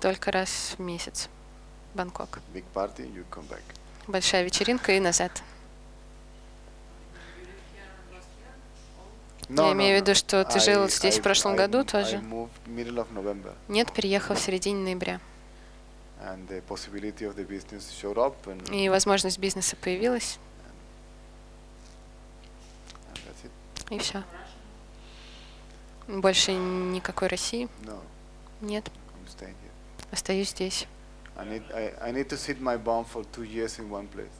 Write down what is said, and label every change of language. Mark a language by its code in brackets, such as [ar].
[ru] Только раз в месяц. Бангкок. [en] Big party, you come back. [ru] Большая вечеринка и назад. [en] No, [ru] я имею в виду, [en] no. [ru] Что ты жил здесь в прошлом году тоже. [en] I moved middle of November. [ru] Нет, переехал в середине ноября. [en] And the possibility of the business showed up and [ru] и возможность бизнеса появилась. И все. Больше никакой России? [en] No. [ru] Нет. [en] I'm staying here. [ru] Остаюсь здесь. [en] I need to sit my bum for 2 years in one place.